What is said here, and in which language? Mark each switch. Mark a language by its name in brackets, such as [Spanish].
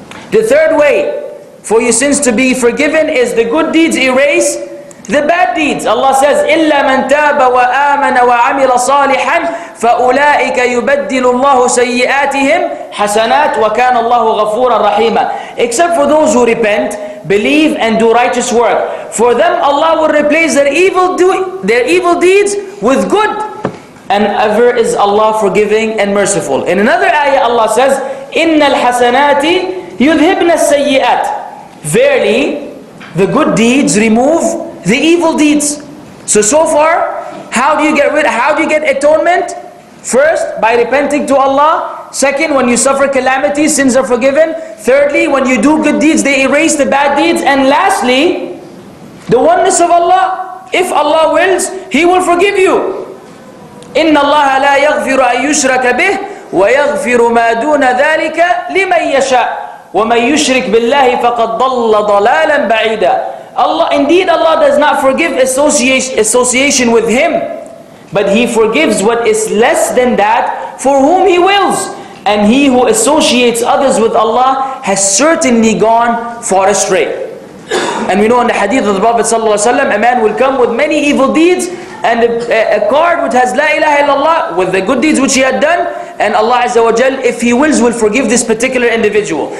[English] The third way for your sins to be forgiven is the good deeds erase the bad deeds. Allah says, [Arabic] إِلَّا مَنْ تَابَ وَآمَنَ وَعَمِلَ صَالِحًا فَأُولَٰئِكَ يُبَدِّلُ اللَّهُ سَيِّئَاتِهِمْ حَسَنَاتٍ وَكَانَ اللَّهُ غَفُورًا رَحِيمًا [English] Except for those who repent, believe and do righteous work. For them Allah will replace their evil deeds with good. And ever is Allah forgiving and merciful. In another ayah Allah says, [Arabic] إِنَّ الْحَسَنَاتِ يُذْهِبْنَ السَّيِّئَاتِ [English] Verily, the good deeds remove the evil deeds. So far, how do you get atonement? First, by repenting to Allah. Second, when you suffer calamities, sins are forgiven. Thirdly, when you do good deeds, they erase the bad deeds. And lastly, the oneness of Allah. If Allah wills, He will forgive you. [Arabic] إِنَّ اللَّهَ لَا يَغْفِرُ أَن يُشْرَكَ بِهِ وَيَغْفِرُ مَا دُونَ ذَلِكَ لِمَن يَشَاءُ وَمَن يُشْرِكْ بِاللَّهِ فَقَدْ ضَلَّ ضَلَالًا بَعِيدًا [English] Allah does not forgive association with Him, but He forgives what is less than that for whom He wills. And he who associates others with Allah has certainly gone far astray. And we know in the hadith of the Prophet ﷺ, a man will come with many evil deeds and a card which has [Arabic] La ilaha illallah [English] with the good deeds which he had done. And Allah Azza wa Jal, if He wills, will forgive this particular individual.